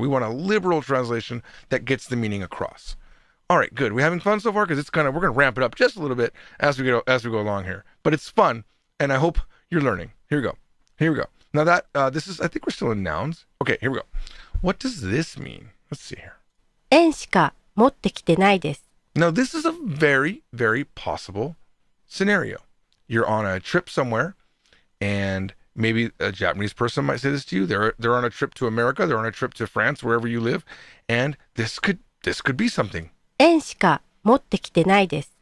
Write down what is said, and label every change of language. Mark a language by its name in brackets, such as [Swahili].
[English] We want a liberal translation that gets the meaning across. All right, good. We're having fun so far because we're going to ramp it up just a little bit as we go along here. But it's fun, and I hope you're learning. Here we go. Now that, this is, I think we're still in nouns. Okay, here we go. What does this mean? Let's see here. [Japanese] 円しか持ってきてないです。 [English] Now this is a very, very possible scenario. You're on a trip somewhere, and maybe a Japanese person might say this to you. They're on a trip to America, they're on a trip to France, wherever you live, and this could be something. [Japanese] 円しか持ってきてないです。